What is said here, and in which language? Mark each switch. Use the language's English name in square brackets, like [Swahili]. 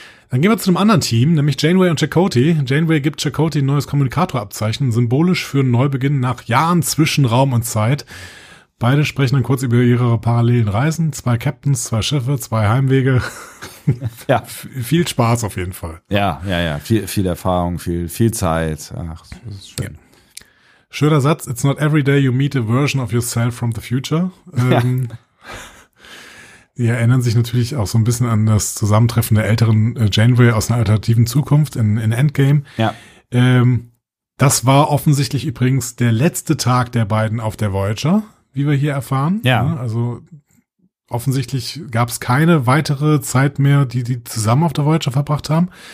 [German] Dann gehen wir zu einem anderen Team, nämlich Janeway und Chakotay. Janeway gibt Chakotay ein neues Kommunikatorabzeichen, symbolisch für einen Neubeginn nach Jahren zwischen Raum und Zeit. Beide sprechen dann kurz über ihre parallelen Reisen. Zwei Captains, zwei Schiffe, zwei Heimwege. Ja. Viel Spaß auf jeden Fall. Ja. Viel Erfahrung, viel Zeit. Ach, das ist schön. Ja. Schöner Satz, [English] it's not every day you meet a version of yourself from the future. [German] Die erinnern sich natürlich auch so ein bisschen an das Zusammentreffen der älteren Janeway aus einer alternativen Zukunft in Endgame. Ja. Das war offensichtlich übrigens der letzte Tag der beiden auf der Voyager, wie wir hier erfahren. Ja. Also offensichtlich gab es keine weitere Zeit mehr, die die zusammen auf der Voyager verbracht haben.